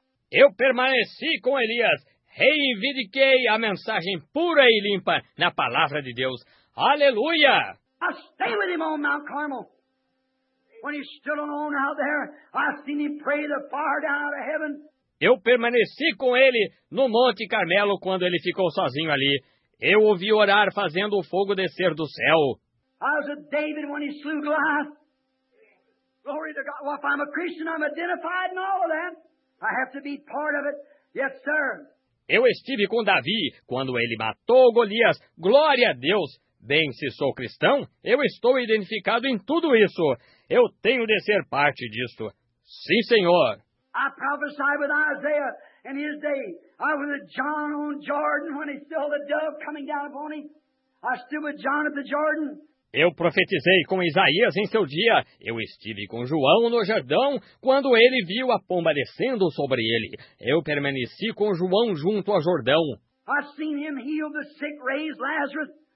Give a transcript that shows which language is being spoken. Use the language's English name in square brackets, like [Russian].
[Portuguese] Eu permaneci com Elias, reivindiquei a mensagem pura e limpa na palavra de Deus. Aleluia! [English] I stay with him on Mount Carmel. When he stood alone out there, I seen him pray the fire down out of heaven. [Portuguese] Eu permaneci com ele no Monte Carmelo quando ele ficou sozinho ali. Eu o vi orar fazendo o fogo descer do céu. [English] I was with David when he slew Goliath. Glory to God. Well, if I'm a Christian, I'm identified in all of that. I have to be part of it. Yes, sir. [Portuguese] Eu estive com Davi quando ele matou Golias. Glória a Deus. Bem, se sou cristão, eu estou identificado em tudo isso. Eu tenho de ser parte disto. Sim, Senhor. [English] I prophesied with Isaiah in his day. I was with John on Jordan when he saw the dove coming down upon him. I stood with John at the Jordan. [Portuguese] Eu profetizei com Isaías em seu dia. Eu estive com João no Jordão quando ele viu a pomba descendo sobre ele. Eu permaneci com João junto ao Jordão. [English] I seen him heal the sick, raise Lazarus.